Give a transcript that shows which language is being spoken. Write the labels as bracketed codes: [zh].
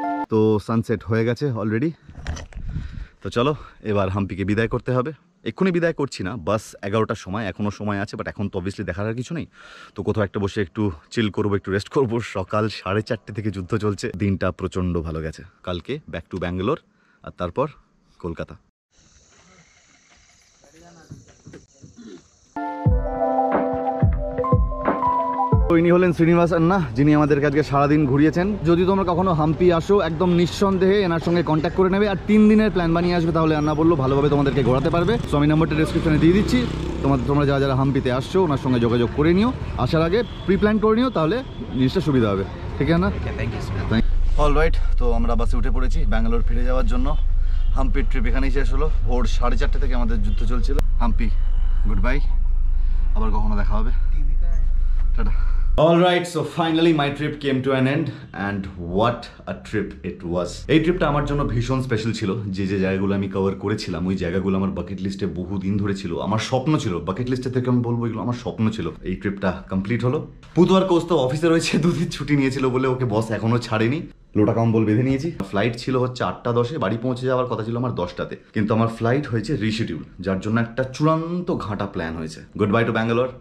[hi] तो सनसेट हो गया है ऑलरेडी, [bn] तो चलो एबार हम्पी के विदाय करते हबे। এক্ষুনি বিদায় করছি না, বাস এগারোটার সময়, এখনও সময় আছে, বাট এখন তো অবভিয়াসলি দেখার আর কিছু নেই। তো কোথাও একটা বসে একটু চিল করবো, একটু রেস্ট করবো। সকাল 4:30 থেকে যুদ্ধ চলছে, দিনটা প্রচণ্ড ভালো গেছে। কালকে ব্যাক টু ব্যাঙ্গালোর আর তারপর কলকাতা। ইনি হলেন শ্রীনিবাসন না, যিনি আমাদেরকে আজকে সারাদিন ঘুরিয়েছেন। যদি তোমরা কখনো হাম্পি আসো, একদম নিঃসন্দেহে এনার সঙ্গে কন্ট্যাক্ট করে নেবে আর 3 দিনের প্ল্যান বানিয়ে আসবে, তাহলে আন্না বললো ভালোভাবে তোমাদেরকে ঘোরাতে পারবে। আমি নাম্বারটা ডিসক্রিপশনে দিয়ে দিচ্ছি, তোমরা যারা যারা হাম্পিতে আসছো ওনার সঙ্গে যোগাযোগ করে নিও, আসার আগে প্রি প্ল্যান করে নিও, তাহলে জিনিসটা সুবিধা হবে। ঠিক আছে আন্না, থ্যাংক ইউ। অল রাইট, তো আমরা বাসে উঠে পড়েছি ব্যাঙ্গালোর ফিরে যাওয়ার জন্য। হাম্পি ট্রিপ এখানেই শেষ হলো, ভোর 4:30 থেকে আমাদের যুদ্ধ চলছিল। হাম্পি গুড বাই, আবার কখনো দেখা হবে। [en] All right, so finally my trip came to an end and what a trip it was. [bn] এই ট্রিপটা আমার জন্য ভীষণ স্পেশাল ছিল। যে যে জায়গাগুলো আমি কভার করেছিলাম, ওই জায়গাগুলো আমার বাকেট লিস্টে বহুদিন ধরে ছিল, আমার স্বপ্ন ছিল। বাকেট লিস্টে থেকে আমি বলবো, এগুলো আমার স্বপ্ন ছিল। এই ট্রিপটা কমপ্লিট হলো। বুধবার কোস্ত অফিসে রয়েছে, 2 দিন ছুটি নিয়েছিল বলে ওকে বস এখনো ছাড়েনি। লোটা কম্বল বেঁধে নিয়েছি। ফ্লাইট ছিল 8:10, বাড়ি পৌঁছে যাওয়ার কথা ছিল আমার 10টাতে, কিন্তু আমার ফ্লাইট হয়েছে রিশিডিউল, যার জন্য একটা চূড়ান্ত ঘাটা প্ল্যান হয়েছে। Good bye two Bangalore.